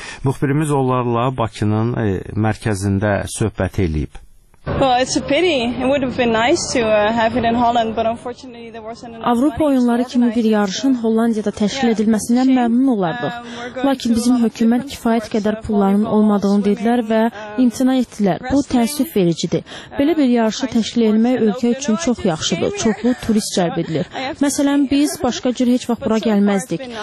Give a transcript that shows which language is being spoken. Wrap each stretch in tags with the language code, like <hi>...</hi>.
<az>Müxbirimiz onlarla Bakının mərkəzində söhbət eləyib.</az> <en>Well, it's a pity. It would have been nice to have it in Holland, but unfortunately there wasn't enough.</en> <az>Avropa oyunları kimi bir yarışın Hollandiyada təşkil edilməsindən məmnun olardıq. Lakin bizim hökumət kifayət qədər pullarının olmadığını dedilər və imtina etdilər. Bu təəssüf vericidir. Belə bir yarışı təşkil etmək ölkə üçün çox yaxşıdır. Çoxlu turist cəlb edilir. Məsələn, biz başqa cür heç vaxt bura gəlməzdik.</az>